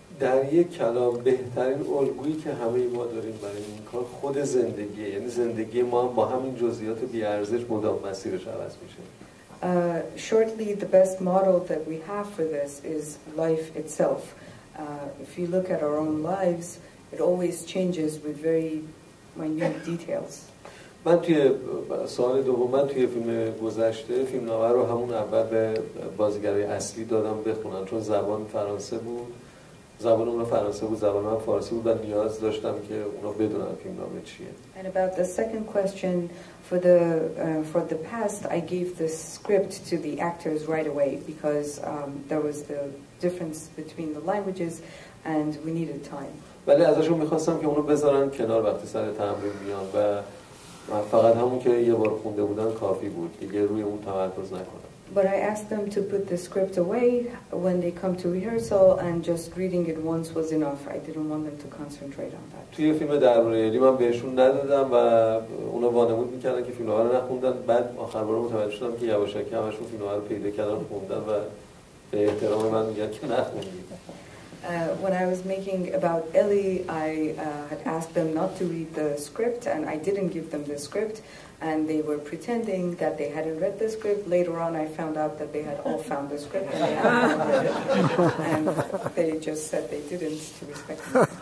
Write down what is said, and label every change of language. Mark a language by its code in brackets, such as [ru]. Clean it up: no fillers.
[fa] در یک کلام بهترین الگویی که همه ما داریم برای این کار خود زندگیه، یعنی زندگی ما هم با همین جزئیات بی‌ارزش مدام مسیرش عوض میشه. [en] Shortly, the best model that we have for this is life itself. If you look at our own lives, it always changes with very minute details. [fa] من توی سال دوم، من توی فیلم گذشته فیلمنامه رو همون اول به بازیگرای اصلی دادم بخونن، چون زبان فرانسه بود، زبان اونا فرانسه بود، زبان من فارسی بود و نیاز داشتم که اونا بدونن فیلمنامه چیه. [en] And about the second question, for the past, I gave the script to the actors right away because there was the difference between the languages and we needed time. [fa] ولی ازشون میخواستم که اونو بذارن کنار وقتی سر تمرین بیان و من فقط همون که یه بار خونده بودن کافی بود، دیگه روی اون تمرکز نکنم. [en] But I asked them to put the script away when they come to rehearsal and just reading it once was enough. I didn't want them to concentrate on that. [fa] توی فیلم درباره‌ای من بهشون ندادم و اونا وانمود میکردن که فیلم رو نخوندن. بعد آخر بار متوجه شدم که یواشکی همشون فیلم رو پیدا کردن خوندن و به احترام من میگن که نخوندید. [en] When I was making about Ellie, I had asked them not to read the script, and I didn't give them the script, and they were pretending that they hadn't read the script. Later on, I found out that they had all found the script, and they, and they just said they didn't, to respect me.